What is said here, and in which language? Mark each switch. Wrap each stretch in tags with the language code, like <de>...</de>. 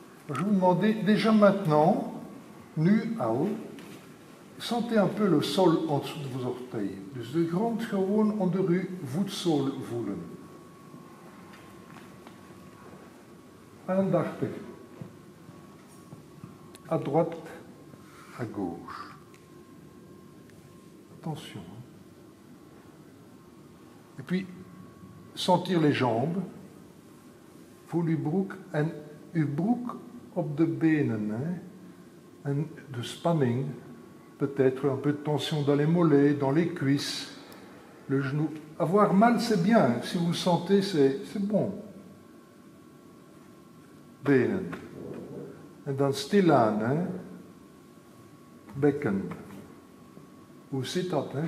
<fr>Je vous demandais, déjà maintenant, nu à haut, sentez un peu le sol en dessous de vos orteils.</fr> <nl>Dus de grond gewoon onder uw voetzool voelen. Aandachtig.</nl> <fr>À droite, à gauche. Attention. Et puis, sentir les jambes.</fr> <nl>Voel uw broek en uw broek op de benen. Hein? En de spanning.</nl> <fr>Peut-être un peu de tension dans les mollets, dans les cuisses, le genou. Avoir mal, c'est bien. Si vous le sentez, c'est bon.</fr> <nl>Benen. En dan stilaan, hein? Bekken. Ou sit-up, hein?</nl>